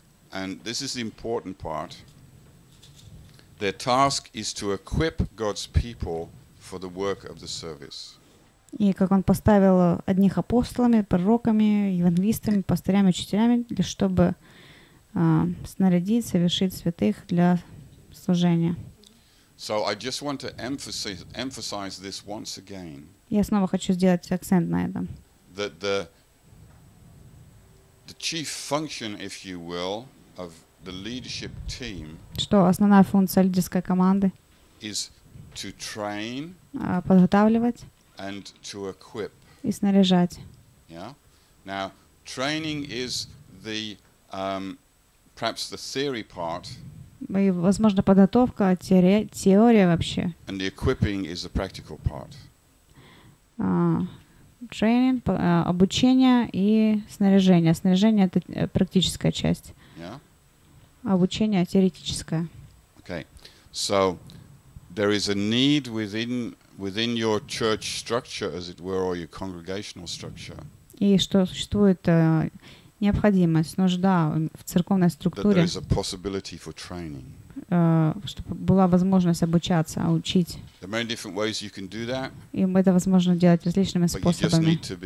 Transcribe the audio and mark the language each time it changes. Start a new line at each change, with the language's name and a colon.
English: And this is the important part. Their task is to equip God's people for the work of the service.
Russian: И как он поставил одних апостолами, пророками, евангелистами, пастырями, учителями, для чтобы снарядить, совершить святых для служения.
English: So I just want to emphasize this once again.
Russian: Я снова хочу сделать акцент на этом.
English: That the chief function, if you will, of the leadership team.
Russian: Что основная функция лидерской команды?
English: Is to train.
Russian: Подготавливать.
English: And to equip.
Russian: И снаряжать.
English: Yeah. Now training is the perhaps the theory part.
Russian: И, возможно, подготовка, теория вообще.
English: And the equipping is the practical part.
Russian: Training, обучение и снаряжение. Снаряжение — это практическая часть.
English: Yeah.
Russian: Обучение — теоретическое.
English: Okay. So there is a need within your church structure, as it were, or your congregational structure.
Russian: И что существует необходимость, нужда в церковной структуре, чтобы была возможность обучаться, учить. И это возможно делать различными способами.